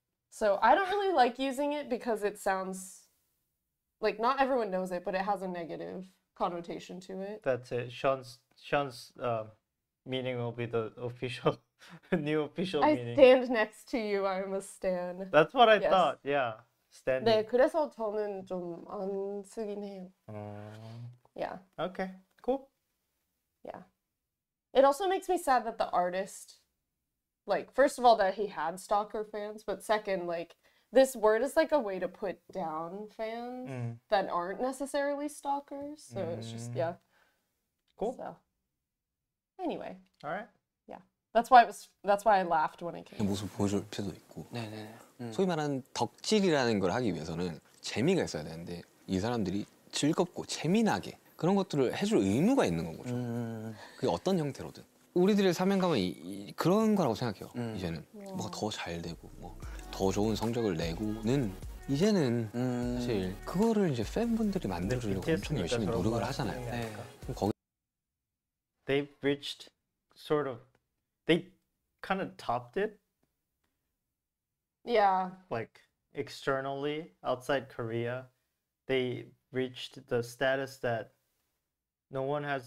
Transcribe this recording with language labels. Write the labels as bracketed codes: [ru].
[en] So I don't really like using it because it sounds like not everyone knows it, but it has a negative connotation to it. That's it. Sean's meaning will be the official, new official meaning. I stand next to you. I'm a stan. That's what I thought. Yeah. Standing. [ko] 네, 그래서 저는 좀 안 쓰긴 해요. [en] Yeah. Okay, cool. Yeah. It also makes me sad that the artist, like, first of all, that he had stalker fans, but second, like, this word is like a way to put down fans that aren't necessarily stalkers. So it's just, yeah. Cool. So, anyway. All right. Yeah. That's why it was, that's why I laughed when it came. [ko] 모습 보여줄 필요도 있고. 네, 네, 네. 소위 말하는 덕질이라는 걸 하기 위해서는 재미가 있어야 되는데 이 사람들이 즐겁고 재미나게 그런 것들을 해줄 의무가 있는 건 거죠. 그게 어떤 형태로든 우리들의 사명감은 그런 거라고 생각해요. 이제는 뭐가 더 잘 되고 뭐 더 좋은 성적을 내고는 이제는 사실 그거를 이제 팬분들이 만들어주려고 엄청 열심히 노력을 하잖아요. 네. 거기... [en] They've reached sort of they kind of topped it. Yeah. Like externally, outside Korea, they reached the status that no one has